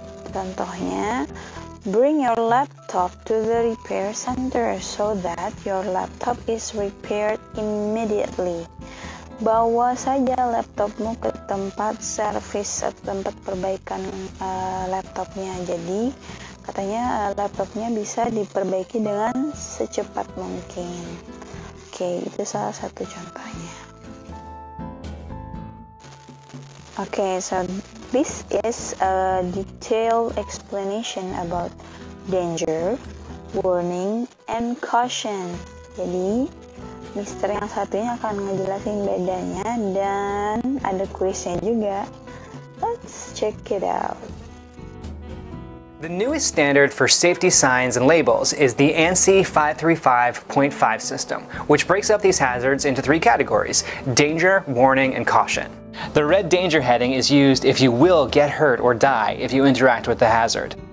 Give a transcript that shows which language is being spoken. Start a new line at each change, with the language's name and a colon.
Indonesian: Contohnya,
English: bring your laptop to the repair center so that your laptop is repaired immediately.
Indonesian: Bawa saja laptopmu ke tempat service atau tempat perbaikan laptopnya. Jadi katanya laptopnya bisa diperbaiki dengan secepat mungkin. Oke, itu salah satu contohnya.
English: Oke, so this is a detailed explanation about danger, warning, and caution.
Indonesian: Jadi, mister yang satunya akan ngejelasin bedanya dan ada quiznya juga.
English: Let's check it out. The newest standard for safety signs and labels is the ANSI 535.5 system, which breaks up these hazards into three categories: danger, warning, and caution. The red danger heading is used if you will get hurt or die if you interact with the hazard.